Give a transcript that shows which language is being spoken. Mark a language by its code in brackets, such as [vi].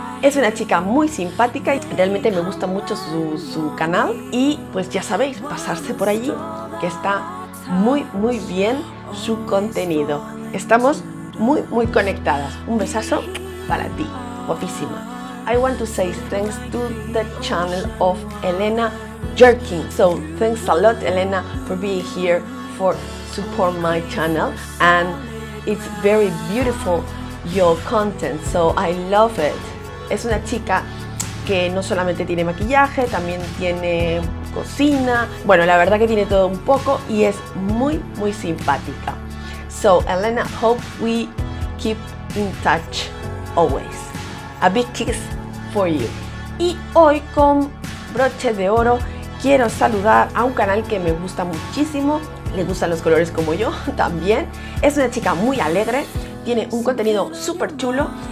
[es] Es una chica muy simpática y realmente me gusta mucho su canal. Y pues ya sabéis, pasarse por allí, que está muy, muy bien su contenido. Estamos muy, muy conectadas. Un besazo para ti, guapísima. [en] I want to say thanks to the channel of Elena Jerking. So thanks a lot, Elena, for being here, for support my channel. And it's very beautiful, your content. So I love it. [es] Es una chica que no solamente tiene maquillaje, también tiene cocina. Bueno, la verdad que tiene todo un poco y es muy, muy simpática. [en] So, Elena, hope we keep in touch always. A big kiss for you. [es] Y hoy con broche de oro quiero saludar a un canal que me gusta muchísimo. Le gustan los colores como yo también. Es una chica muy alegre, tiene un contenido súper chulo.